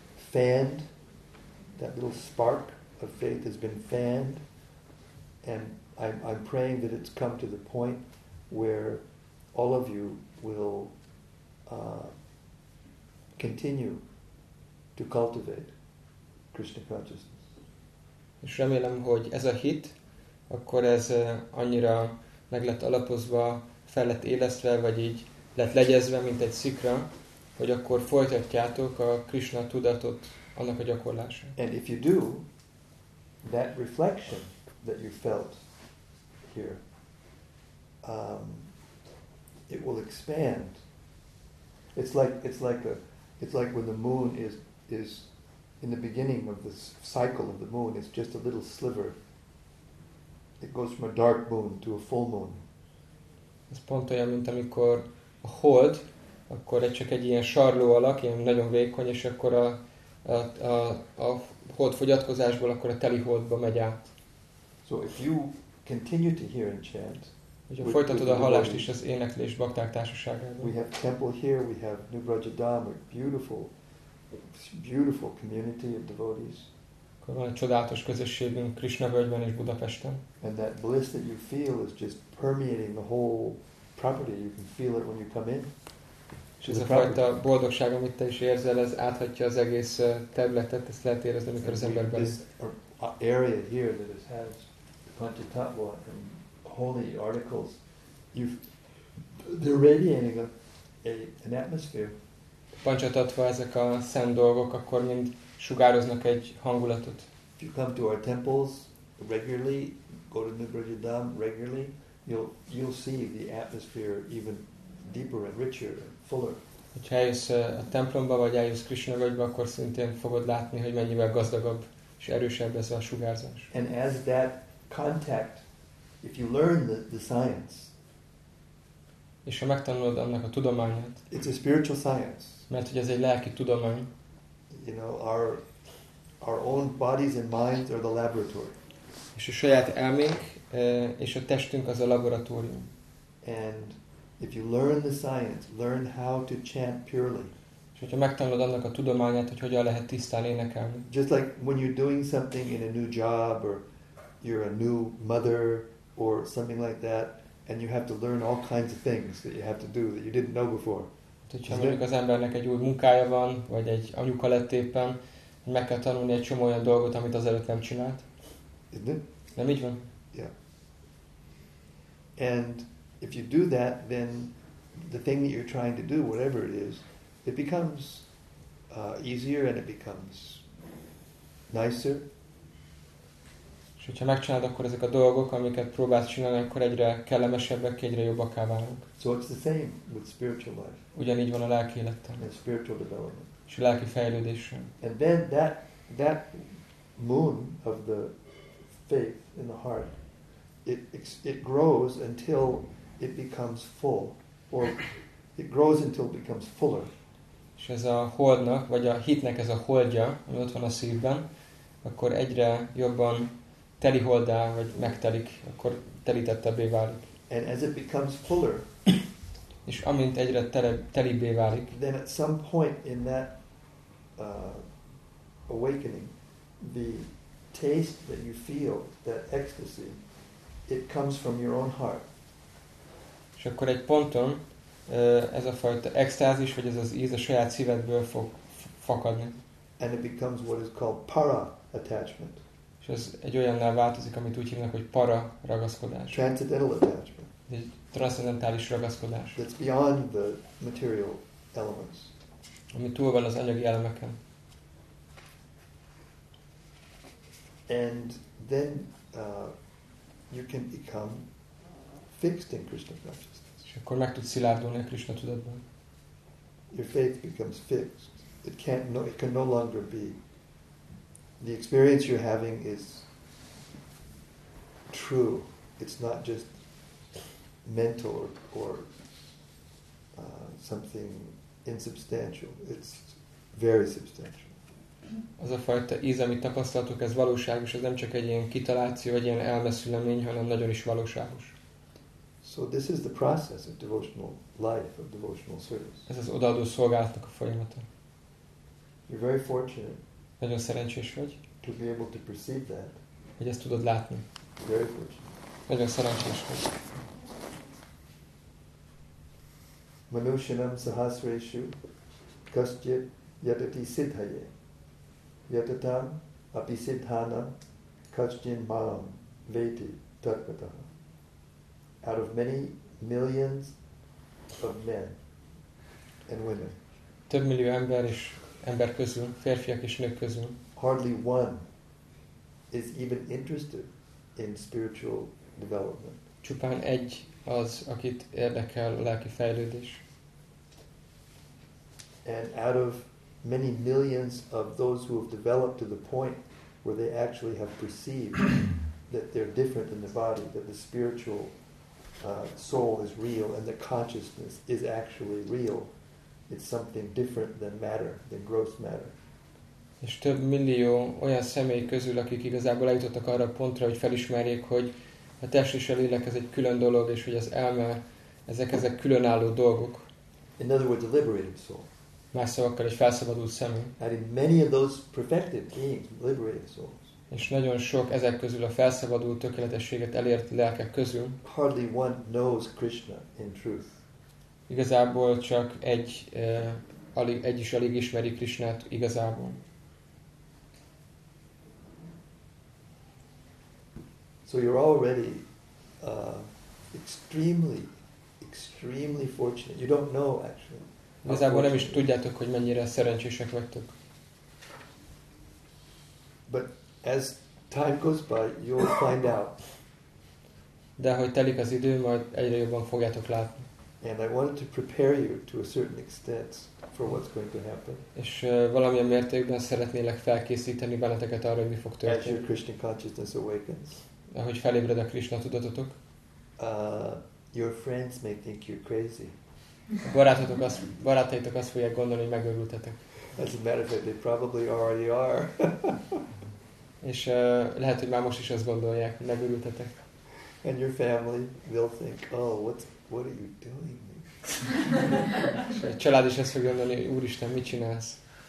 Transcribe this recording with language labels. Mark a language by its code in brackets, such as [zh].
[en] fanned, that little spark of faith has been fanned, and I'm praying that it's come to the point where all of you will continue to cultivate Krishna consciousness. [hu] És remélem, hogy ez a hit, akkor ez annyira meg lett alapozva, fel lett élesztve, vagy így lett legyezve, mint egy szikra, hogy akkor folytatjátok a Krishna tudatot, annak a gyakorlását. [en] And if you do, that reflection that you felt here, it will expand. It's like when the moon is in the beginning of the cycle of the moon, it's just a little sliver. It goes from a dark moon to a full moon. [hu] Ez pont olyan, mint amikor a hold akkor ez csak egy ilyen sarló alak, ilyen nagyon vékony, és akkor a hold fogyatkozásból akkor a teli holdba megy át. [en] So if you continue to hear and chant, [hu] hogyha folytatod a hallást is az éneklés bakták társaságában. [en] We have temple here, we have New Braja Dham, a beautiful, beautiful community of devotees. [hu] Akkor van egy csodálatos közösségünk Krishna völgyben és Budapesten. [en] And that bliss that you feel is just permeating the whole property. You can feel it when you come in. [hu] És ez a fajta boldogság, amit te is érzel, ez áthatja az egész területet, ezt lehet érezni, amikor az ember belül. [en] This area here that has the Panchatattva and holy articles, they're radiating an atmosphere. [hu] A Panchatattva, ezek a szent dolgok, akkor mind sugároznak egy hangulatot. [en] If you come to our temples regularly, go to New Braja Dham regularly, you'll see the atmosphere even deeper and richer. [hu] Hogyha eljössz a templomba, vagy eljössz Krishna völgybe, akkor szintén fogod látni, hogy mennyivel gazdagabb és erősebb ez a sugárzás. [en] And as that contact, if you learn the science, [hu] és ha megtanulod annak a tudományát, [en] it's a spiritual science. [hu] Mert hogy ez egy lelki tudomány. [en] You know, our own bodies and minds are the laboratory. [hu] És a saját elménk és a testünk az a laboratórium. [en] And if you learn the science, learn how to chant purely. [hu] És hogyha megtanulod annak a tudományát, hogy hogyan lehet tisztán énekelni. [en] Just like when you're doing something in a new job, or you're a new mother, or something like that, and you have to learn all kinds of things that you have to do that you didn't know before. [hu] Hogyha mondjuk az embernek egy új munkája van, vagy egy anyuka lett éppen, meg kell tanulni egy csomó olyan dolgot, amit azelőtt nem csinált. [en] Isn't it? [hu] Nem így van? [en] Yeah. And if you do that, then the thing that you're trying to do, whatever it is, it becomes easier and it becomes nicer. [hu] És hogyha megcsinálod, akkor ezek a dolgok, amiket próbálsz csinálni, akkor egyre kellemesebbek, egyre jobbaká válnak. [en] So it's the same with spiritual life. [hu] Ugyanígy van a lelki élettel. [en] And spiritual development. [hu] És a lelki fejlődéssel. [en] And then that moon of the faith in the heart, it grows until it becomes full, or it grows until it becomes fuller. [hu] És ez a holdnak, vagy a hitnek ez a holdja, ami ott van a szívben, akkor egyre jobban teli holdá, vagy megtelik, akkor telítettebbé válik. [en] And as it becomes fuller, [hu] és amint egyre telibbé válik, [en] then at some point in that awakening, the taste that you feel, that ecstasy, it comes from your own heart. [hu] És akkor egy ponton ez a fajta extázis, vagy ez az íz a saját szívedből fog fakadni. [en] And it becomes what is called para attachment. [hu] És ez egy olyannál változik, amit úgy hívnak, hogy para ragaszkodás. [en] Transcendental attachment. [hu] Egy transzendentális ragaszkodás. [en] That's beyond the material elements. [hu] Ami túl van az anyagi elemeken. [en] And then you can become fixed in Krishna consciousness. [hu] És akkor meg tud szilárdulni a Krishna tudatban. [en] Your faith becomes fixed. It can no longer be. The experience you're having is true. It's not just mental or something insubstantial. It's very substantial. [hu] Az a fajta íz, amit tapasztaltuk, ez valóságos, ez nem csak egy ilyen kitaláció, vagy ilyen elmeszülemény, hanem nagyon is valóságos. [en] So this is the process of devotional life, of devotional service. [hu] Ez az odaadó szolgálatnak a folyamata. [en] You're very fortunate. [hu] Nagyon szerencsés vagy. [en] To be able to perceive that. [hu] Hogy ezt tudod látni. [en] Very fortunate. [hu] Nagyon szerencsés vagy. [sa] Manushinam sahasreshu kaschit yatati siddhaye yatatam api siddhanam kaschin malam veti tatvatah. [en] Out of many millions of men and women. [hu] Több millió ember és ember közül, férfiak és nők közül. [en] Hardly one is even interested in spiritual development. [hu] Csupán egy az, akit érdekel a lelki fejlődés. [en] And out of many millions of those who have developed to the point where they actually have perceived that they're different than the body, that the spiritual soul is real and the consciousness is actually real, It's something different than matter, than gross matter. [hu] És több millió olyan személy közül, akik igazából eljutottak arra a pontra, hogy felismerjék, hogy a test és a lélek ez egy külön dolog, és hogy az elme, ezek különálló dolgok. [en] In other words, a liberated soul. [hu] Más szavakkal, egy felszabadult személy. [en] And in many of those perfected beings, liberated souls. [hu] És nagyon sok ezek közül a felszabadult tökéletességet elért lelkek közül. [en] Hardly one knows Krishna in truth. [hu] Igazából csak egy is alig ismeri Krishnát igazából. [en] So you're already extremely fortunate. You don't know actually. [hu] Igazából nem is tudjátok, hogy mennyire szerencsések vagytok. [en] But as time goes by, you'll find out. [hu] De ahogy telik az idő, majd egyre jobban fogjátok látni. [en] And I wanted to prepare you to a certain extent for what's going to happen. [hu] És valamilyen mértékben szeretnélek felkészíteni benneteket arra, hogy mi fog történni. [en] As your Krishna consciousness awakens. [hu] Ahogy felébred a Krishna tudatotok. [en] Your friends may think you're crazy. [hu] Barátaitok azt fogják gondolni, hogy megőrültetek. [en] As a matter of fact, they probably already are. [hu] És lehet, hogy már most is azt gondolják, hogy megőrültetek. [en] And your family, they'll think, oh, what are you doing? [hu] És a család is azt fog gondolni, hogy Úristen, mit csinálsz?